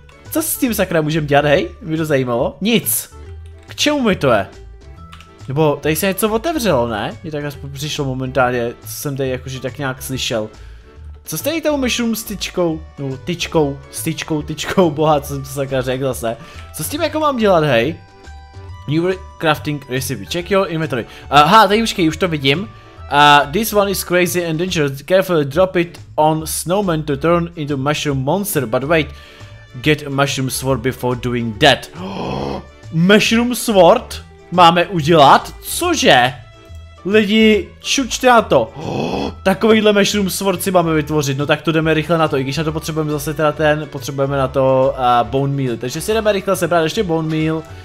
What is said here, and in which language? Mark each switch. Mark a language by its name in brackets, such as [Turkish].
[Czech] Co s tím sakra můžeme dělat, hej? Mě to zajímalo. Nic. K čemu mi to je? Nebo tady se něco otevřelo, ne? Mě tak aspoň přišlo momentálně, co jsem tady jakože tak nějak slyšel. Co s tady tou mushroom styčkou? No, tyčkou, boha, co jsem to sakra řekl zase. Co s tím jako mám dělat, hej? [English] New crafting recipe, check your inventory. [Czech] Aha, tady počkej, už to vidím. [English] This one is crazy and dangerous, carefully drop it on snowman to turn into mushroom monster, but wait, get a mushroom sword before doing that. [Czech] Mushroom sword máme udělat? Cože? Lidi, čučte na to. Takovýhle mushroom sword si máme vytvořit, no tak to jdeme rychle na to, i když na to potřebujeme zase teda ten, potřebujeme na to bone meal, takže si jdeme rychle sebrat ještě bone meal.